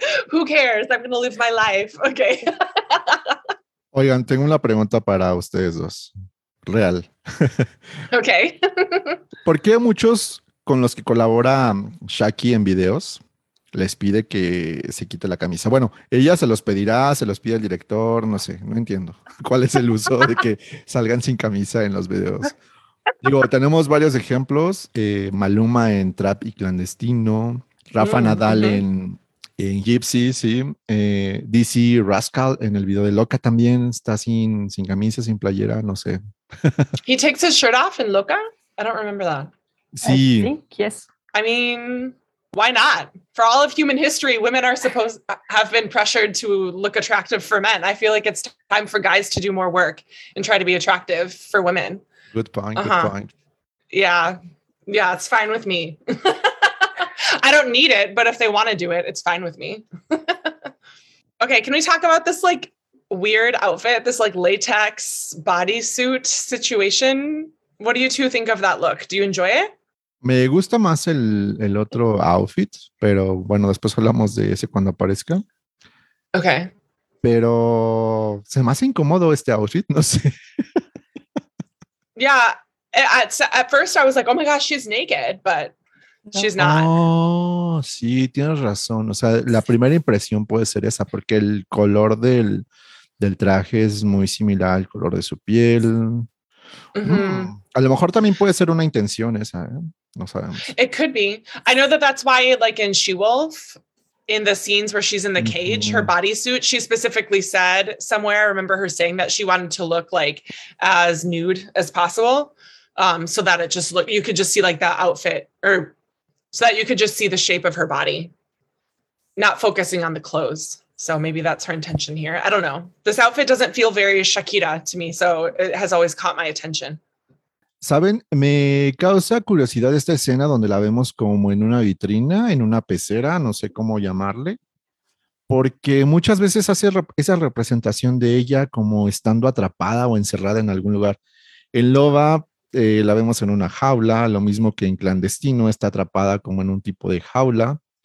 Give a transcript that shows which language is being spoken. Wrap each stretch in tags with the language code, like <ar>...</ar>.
<en>Who cares? I'm going to live my life, okay.</en> <es>Oigan, tengo una pregunta para ustedes dos.</es> <en>Real. Ok.</en> <es>¿Por qué muchos con los que colabora Shaki en videos les pide que se quite la camisa? Bueno, ella se los pedirá, se los pide el director, no sé, no entiendo. ¿Cuál es el uso de que salgan sin camisa en los videos? Digo, tenemos varios ejemplos. Maluma en Trap y Clandestino. Rafa Nadal en Gypsy, sí. DC Rascal en el video de Loca también está sin camisa, sin playera, no sé.</es> <en>He takes his shirt off in Loca? I don't remember that.</en> <es>Sí.</es> <en>I think, yes. I mean, why not? For all of human history, women are supposed have been pressured to look attractive for men. I feel like it's time for guys to do more work and try to be attractive for women. Good point, uh-huh. Good point. Yeah, it's fine with me. I don't need it, but if they want to do it, it's fine with me. Okay, can we talk about this, like, weird outfit, this like latex bodysuit situation. What do you two think of that look? Do you enjoy it?</en> <es>Me gusta más el otro outfit, pero bueno, después hablamos de ese cuando aparezca.</es> <en>Okay.</en> <es>Pero se me hace incómodo este outfit, no sé.</es> <en>Yeah, at first I was like, oh my gosh, she's naked, but she's not.</en> <es>Oh, sí, tienes razón. O sea, la primera impresión puede ser esa, porque el color del traje es muy similar al color de su piel. Mm-hmm. A lo mejor también puede ser una intención esa, ¿eh? No sabemos.</es> <en>It could be. I know that that's why, like in She-Wolf, in the scenes where she's in the cage, mm-hmm. her bodysuit, she specifically said somewhere, I remember her saying that she wanted to look like as nude as possible. So that it just looked, you could just see like that outfit or so that you could just see the shape of her body, not focusing on the clothes. So maybe that's her intention here. I don't know. This outfit doesn't feel very Shakira to me, so it has always caught my attention.</en> <es>¿Saben? Me causa curiosidad esta escena donde la vemos como en una vitrina, en una pecera, no sé cómo llamarle. porque muchas veces hace esa representación de ella como estando atrapada o encerrada en algún lugar. En Loba la vemos en una jaula, lo mismo que en Clandestino, está atrapada como en un tipo de jaula.</es>